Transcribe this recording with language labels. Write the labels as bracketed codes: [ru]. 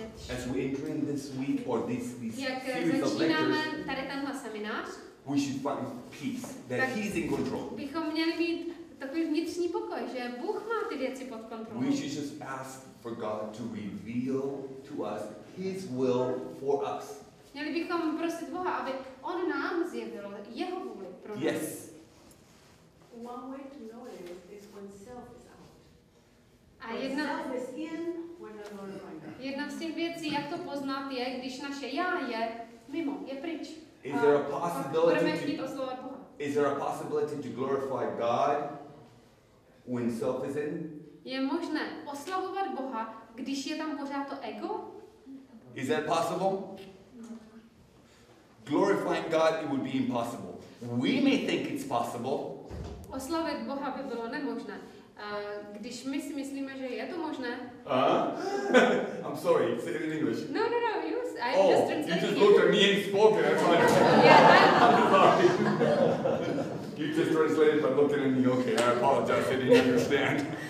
[en] As we enter in this week or this series of lectures, we should find peace, that He is in control. [cs] Takový vnitřní pokoj, že Bůh má ty věci pod kontrolou. [en] We should just ask for God to reveal to us His will for us. [cs] Měli bychom prosit Boha, aby On nám zjevil Jeho vůli pro nás. [en] Yes. One way to know it is when self is out. [cs] A jedna, [en] self is in, we're [cs] jedna z těch věcí, jak to poznat, je, když naše já je mimo, je pryč. [en] Is there a possibility to, is there a possibility to glorify God when self is in? [cs] Je možné oslavovat Boha, když je tam pořád to ego? [en] Is that possible? Glorifying God, it would be impossible. We may think it's possible. [cs] Oslavit Boha by bylo nemožné. Když my si myslíme, že je to možné. [en] I'm sorry, say it in English. No, you, I oh, just translated. You just looked at me and spoke it. I'm sorry. You just translated by looking at me. Okay, I apologize, I didn't understand.